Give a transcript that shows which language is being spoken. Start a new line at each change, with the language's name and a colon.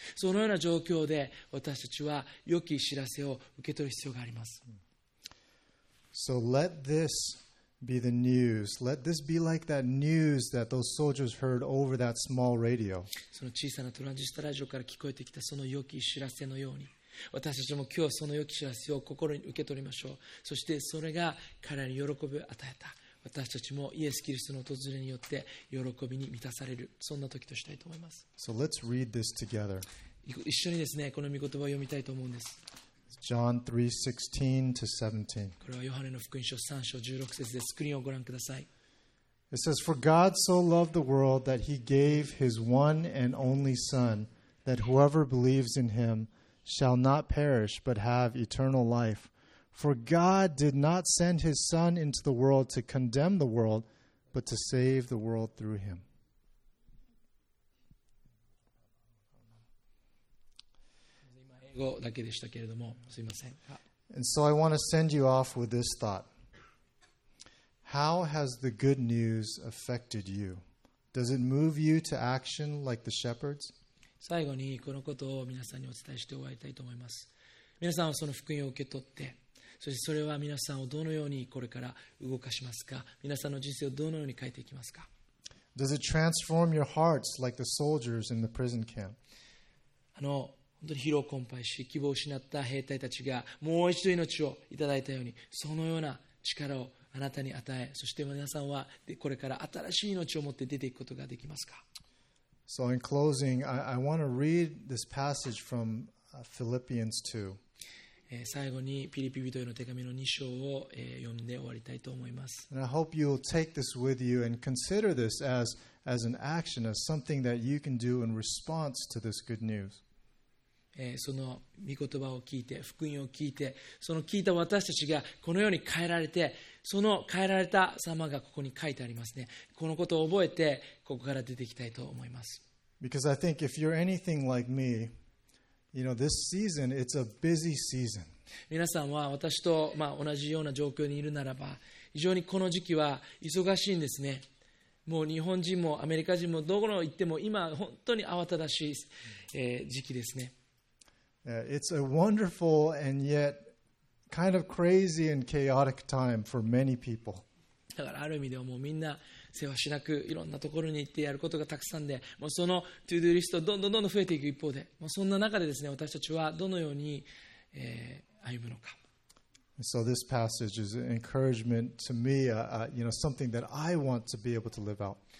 Japanese: そのような状況で私たちは良き知らせを受け取る必要があります。
English: So let this be the news. Let this be like that news that those soldiers heard over that small radio.
Japanese: その小さなトランジスタラジオから聞こえてきたその良き知らせのように、私たちも今日その良き知らせを心に受け取りましょう。そしてそれが彼らに喜びを与えた。私たちもイエス・キリストの訪れによって喜びに満たされる、そんな時としたいと思います。
English: So let's read this together.
Japanese: 一緒にですね、この御言葉を読みたいと思うんです。
English: John 3:16 to 17.
Japanese: これはヨハネの福音書3章16節です。スクリーンをご覧ください。
English: It says, For God so loved the world that he gave his one and only Son, that whoever believes in him shall not perish but have eternal life. For God did not send his Son into the world to condemn the world, but to save the world through him.
Japanese: だけでしたけれども、すいません。
English: And so I want to send you off with this thought. How has the good news affected you? Does it move you to action like the shepherds?
Japanese: 最後にこのことを皆さんにお伝えして終わりたいと思います。皆さんはその福音を受け取って、そしてそれは皆さんをどのようにこれから動かしますか？皆さんの人生をどのように変えていきますか？
English: Does it transform your hearts like the soldiers in the prison camp?
Japanese: 本当に疲労困憊し、希望を失った兵隊たちがもう一度命をいただいたように、そのような力をあなたに与え、そして皆さんはこれから新しい命を持って出ていくことができますか。
English: So in closing, I want to read this passage from Philippians 2.
Japanese: 最後にピリピ人への手紙の2章を読んで終わりたいと思います。
English: And I hope you'll take this with you and consider this as an action, as something that you can do in response to this good news.
Japanese: その御言葉を聞いて福音を聞いてその聞いた私たちがこのように変えられてその変えられた様がここに書いてありますね。このことを覚えてここから出ていきたいと思います。
English: Because I think if you're anything like me, you know, this season, it's a busy season.
Japanese: 皆さんは私と、まあ、同じような状況にいるならば非常にこの時期は忙しいんですね。もう日本人もアメリカ人もどこに行っても今本当に慌ただしい、時期ですね。
English: It's a wonderful and yet kind of crazy and chaotic time for many people.
Japanese: だからある意味ではもうみんな世話しなくいろんなところに行ってやることがたくさんで、もうそのトゥードゥリストどんどんどんどん増えていく一方で、もうそんな中でですね、私たちはどのように、歩むのか。
English: So this passage is an encouragement to me, you know, something that I want to be able to live out.